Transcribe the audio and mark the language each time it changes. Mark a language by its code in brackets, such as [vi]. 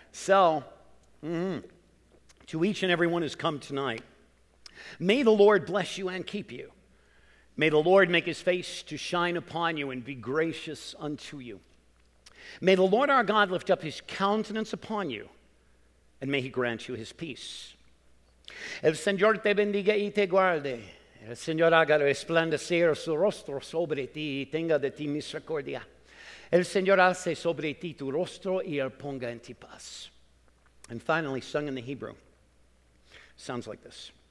[en] So, to each and everyone who's come tonight, may the Lord bless you and keep you. May the Lord make his face to shine upon you and be gracious unto you. May the Lord our God lift up his countenance upon you, and may he grant you his peace. [es] El Señor te bendiga y te guarde. El Señor haga resplandecer su rostro sobre ti y tenga de ti misericordia. El Señor alce sobre ti tu rostro y el ponga en ti paz. [en] And finally, sung in the Hebrew, sounds like this.